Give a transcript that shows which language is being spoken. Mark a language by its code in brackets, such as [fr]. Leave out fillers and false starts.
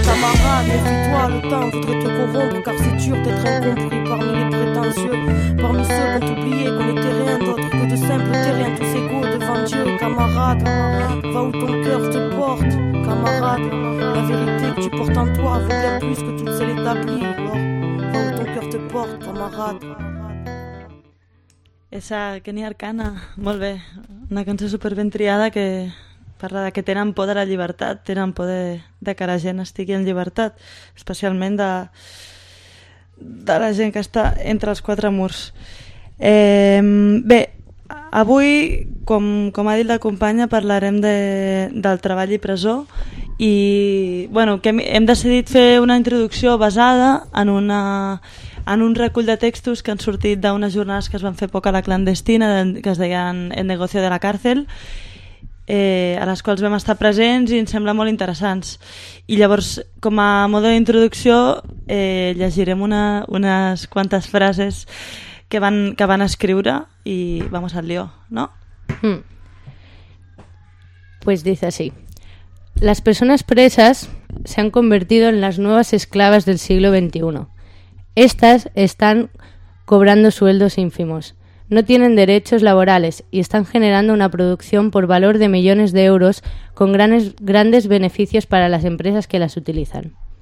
[fr] Camarade, méfie-toi, le temps voudrait te corrompre, car c'est dur d'être incompris parmi les prétentieux, parmi ceux qui ont oublié qu'on n'était rien d'autre que de simples terriens, tous égaux devant Dieu. Camarade, va où ton cœur te porte. Camarade, la vérité que tu portes en toi vaut bien plus que toutes celles établies. Alors, va où ton cœur te porte, camarade. [ca] Esa Kenny Arcana, molt bé. Una cançó super ben triada que parla de que tenen por de la llibertat, tenen por de que la gent estigui en llibertat, especialment de la gent que està entre els quatre murs. Bé, avui, com ha dit la companya, parlarem del treball i presó i bueno, que hem decidit fer una introducció basada en un recull de textos que han sortit d'unes jornades que es van fer poc a la clandestina, que es deien El negocio de la cárcel, a les quals vam estar presents i ens sembla molt interessants. I llavors, com a mode d'introducció, llegirem unes quantes frases que van escriure i [es] vamos al lío, [ca] no? [es] Pues dice así. Las personas presas se han convertido en las nuevas esclavas del siglo XXI. Estas están cobrando sueldos ínfimos, no tienen derechos laborales y están generando una producción por valor de millones de euros con grandes beneficios para las empresas que las utilizan.